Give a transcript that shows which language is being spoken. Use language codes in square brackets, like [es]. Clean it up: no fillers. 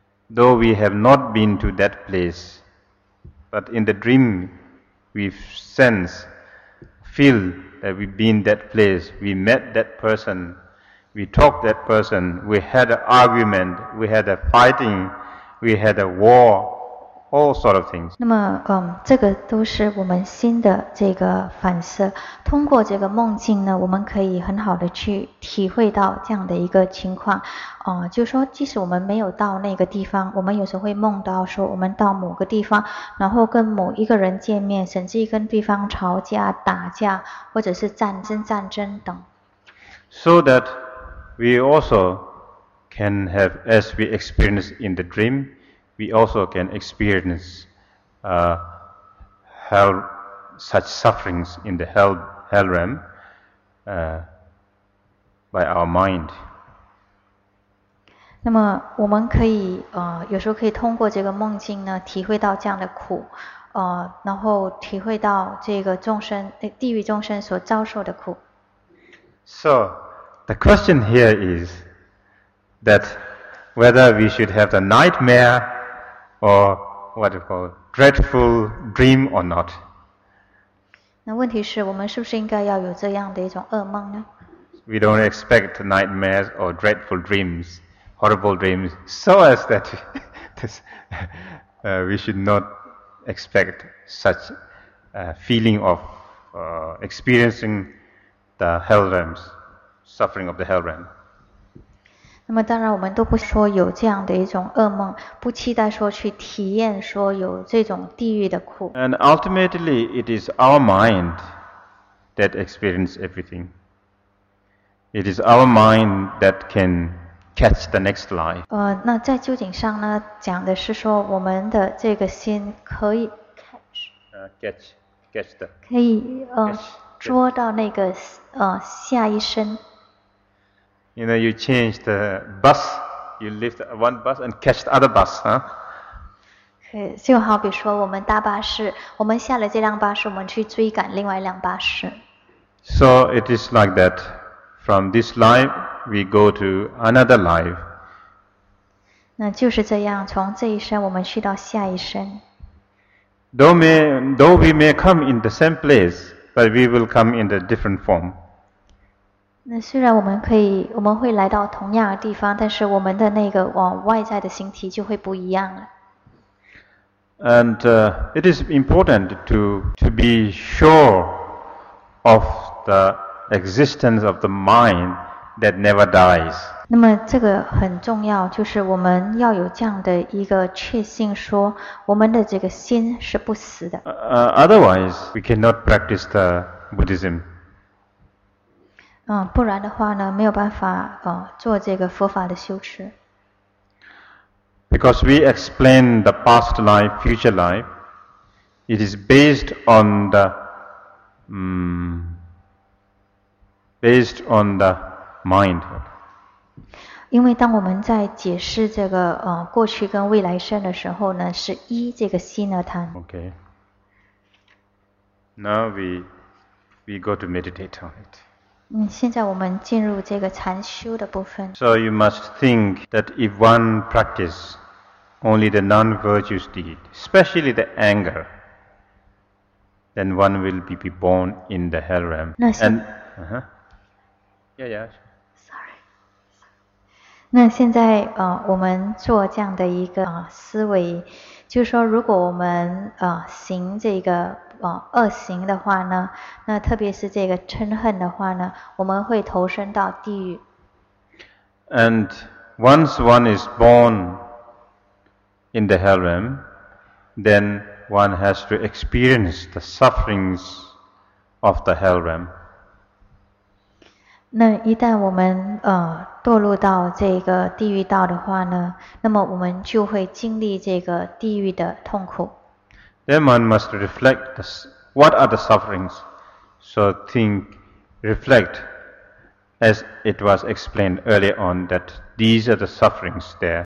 [en] Though we have not been to that place, but in the dream, we sense, feel that we've been that place, we met that person, we talked that person, we had an argument, we had a fighting, we had a war, all sort of things. [zh] 那么，这个都是我们心的这个反射。通过这个梦境呢，我们可以很好的去体会到这样的一个情况。就说即使我们没有到那个地方，我们有时候会梦到说我们到某个地方，然后跟某一个人见面，甚至跟对方吵架、打架，或者是战争等。 [en] So that we also can have, as we experience in the dream, we also can experience hell, such sufferings in the hell realm by our mind. [zh] 那么我们可以有时候可以通过这个梦境呢，体会到这样的苦，然后体会到这个众生地狱众生所遭受的苦。 [en] So the question here is that whether we should have the nightmare. Or what you call dreadful dream or not? [zh] 那问题是我们是不是应该要有这样的一种噩梦呢？ [en] We don't expect nightmares or dreadful dreams, horrible dreams, so as that this, we should not expect such a feeling of experiencing the hell realms, suffering of the hell realm. [zh] 那么当然我们都不说有这样的一种噩梦，不期待说去体验说有这种地狱的苦。 [en] And ultimately it is our mind that experiences everything. It is our mind that can catch the next lie. [zh] 那在究竟上呢，讲的是说我们的这个心可以 catch 可以捉到那个下一生。 [en] You know, you change the bus, you lift one bus and catch the other bus, huh? [zh] 就好比说我们搭巴士，我们下了这辆巴士，我们去追赶另外一辆巴士。 [en] So it is like that. From this life, we go to another life. [zh] 那就是这样，从这一生我们去到下一生。 [en] Though we may come in the same place, but we will come in a different form. [zh] 那虽然我们可以，我们会来到同样的地方，但是我们的那个往外在的形体就会不一样了。 [en] And it is important to be sure of the existence of the mind that never dies. [zh] 那么这个很重要，就是我们要有这样的一个确信，说我们的这个心是不死的。 [en] Otherwise, we cannot practice the Buddhism. [zh] 不然的话呢，没有办法做这个佛法的修持。 [en] Because we explain the past life, future life, it is based on the based on the mind. [zh] 因为当我们在解释这个过去跟未来生的时候呢，是依这个心而谈。 [en] Okay. Now we go to meditate on it. [zh] 现在我们进入这个禅修的部分。 [en] So you must think that if one practice only the non-virtuous deed, especially the anger, then one will be born in the hell realm. [zh] 那现那现在我们做这样的一个思维，就是说，如果我们行这个恶行的话呢，那特别是这个嗔恨的话呢，我们会投身到地狱。 [en] And once one is born in the hell realm, then one has to experience the sufferings of the hell realm. [zh] 那一旦我们堕入到这个地狱道的话呢，那么我们就会经历这个地狱的痛苦。 [en] Then one must reflect this. What are the sufferings? So think, reflect, as it was explained earlier on, that these are the sufferings there.